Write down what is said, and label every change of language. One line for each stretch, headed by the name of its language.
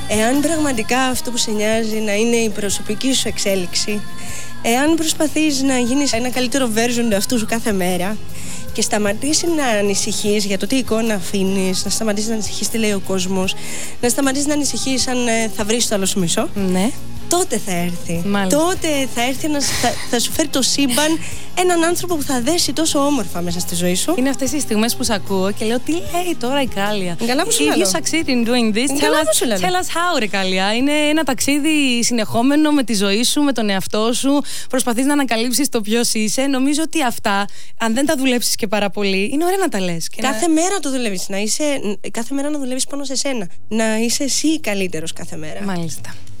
Greek: Εάν πραγματικά αυτό που σε νοιάζει να είναι η προσωπική σου εξέλιξη, εάν προσπαθείς να γίνεις ένα καλύτερο version του εαυτού σου κάθε μέρα και σταματήσει να ανησυχείς για το τι εικόνα αφήνεις, να σταματήσει να ανησυχείς τι λέει ο κόσμος, να σταματήσει να ανησυχείς αν θα βρεις το άλλο σου μισό, ναι. Τότε θα έρθει. Μάλιστα. Τότε θα έρθει να θα σου φέρει το σύμπαν έναν άνθρωπο που θα δέσει τόσο όμορφα μέσα στη ζωή σου. Είναι αυτές οι στιγμές που σ' ακούω και λέω: Τι λέει τώρα η Κάλια? Καλά που σου λέω.
English: You succeed in doing this. Tell us how, ρε Κάλια.
Greek: Είναι ένα ταξίδι συνεχόμενο με τη ζωή σου, με τον εαυτό σου. Προσπαθείς να ανακαλύψεις το ποιος είσαι. Νομίζω ότι αυτά, αν δεν τα δουλέψεις και πάρα πολύ, είναι ωραία να τα λες. Κάθε μέρα το δουλεύεις. Κάθε μέρα να δουλεύεις πάνω σε σένα. Να είσαι εσύ καλύτερος κάθε μέρα. Μάλιστα.